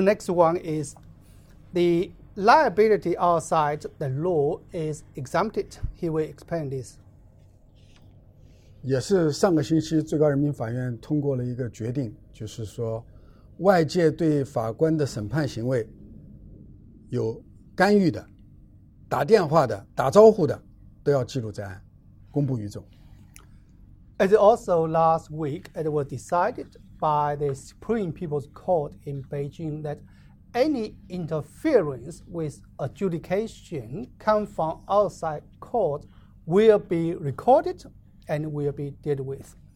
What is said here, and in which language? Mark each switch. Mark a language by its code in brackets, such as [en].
[en] next one is the liability outside the law is exempted. He will explain this. [zh] 也是上个星期最高人民法院通过了一个决定，就是说外界对法官的审判行为有 干预的、打电话的、打招呼的，都要记录在案，公布于众。 [en] As also last week, it was decided by the Supreme People's Court in Beijing that any interference with adjudication come from outside court will be recorded and will be dealt with.